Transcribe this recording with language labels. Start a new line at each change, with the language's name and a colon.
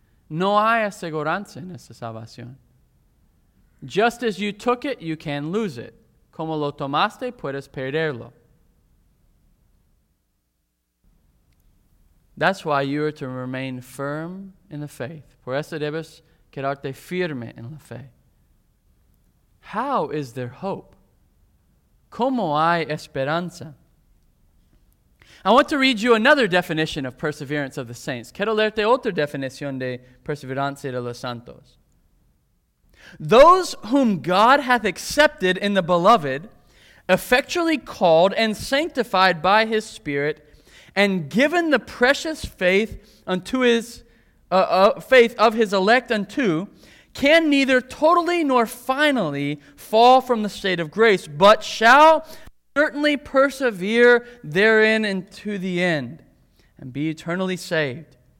Spanish: No hay aseguranza en esa salvación.
English: Just as you took it, you can lose it.
Spanish: Como lo tomaste, puedes perderlo.
English: That's why you are to remain firm in the faith.
Spanish: Por eso debes quedarte firme en la fe.
English: How is there hope?
Spanish: ¿Cómo hay esperanza?
English: I want to read you another definition of perseverance of the saints.
Spanish: Quiero leerte otra definición de perseverancia de los santos.
English: Those whom God hath accepted in the beloved, effectually called and sanctified by his Spirit, and given the precious faith unto his faith of his elect unto, can neither totally nor finally fall from the state of grace, but shall certainly persevere therein unto the end, and be eternally saved.